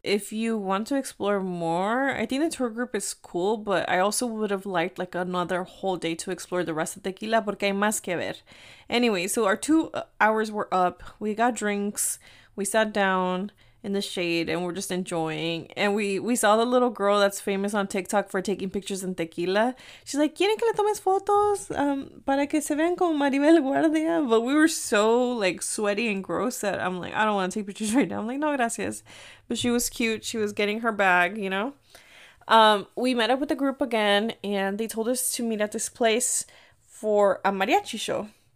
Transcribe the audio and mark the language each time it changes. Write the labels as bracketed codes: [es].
[en] If you want to explore more, I think the tour group is cool, but I also would have liked like another whole day to explore the rest of Tequila [es] porque hay más que ver. [en] Anyway, so our 2 hours were up. We got drinks. We sat down in the shade and we're just enjoying. And we saw the little girl that's famous on TikTok for taking pictures in Tequila. [es] She's like, ¿quieren que le tomes fotos? Para que se vean como Maribel Guardia. [en] But we were so like sweaty and gross that I'm like, I don't want to take pictures right now. I'm like, [es] no, gracias. [en] But she was cute. She was getting her bag, you know? We met up with the group again and they told us to meet at this place for a mariachi show.